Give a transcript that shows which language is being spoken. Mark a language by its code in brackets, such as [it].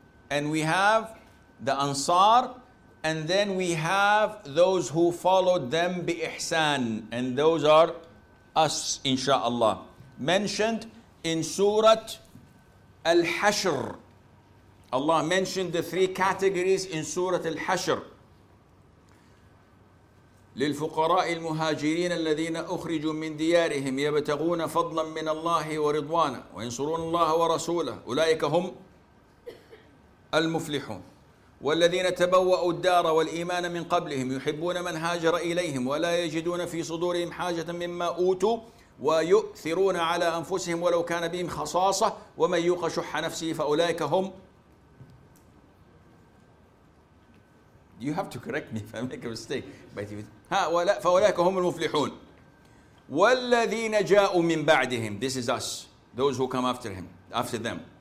[en] And we have the Ansar, and then we have those who followed them bi ihsan, and those are us, insha'Allah. Mentioned in Surah Al-Hashr. Allah mentioned the three categories in Surah Al-Hashr. [ar] للفقراء المهاجرين الذين أخرجوا من ديارهم يبتغون فضلا من الله ورضوانه وينصرون الله ورسوله أولئك هم المفلحون والذين تبوأوا الدار والإيمان من قبلهم يحبون من هاجر إليهم ولا يجدون في صدورهم حاجة مما أوتوا ويؤثرون على أنفسهم ولو كان بهم خصاصة ومن يوق شح نفسه فأولئك هم. [en] You have to correct me if I make a mistake. But if [ar] فَأُولَٰئِكَ هُمُ الْمُفْلِحُونَ وَالَّذِينَ جَاءُوا مِنْ بَعْدِهِمْ. [en] This is us, those who come after him, after them.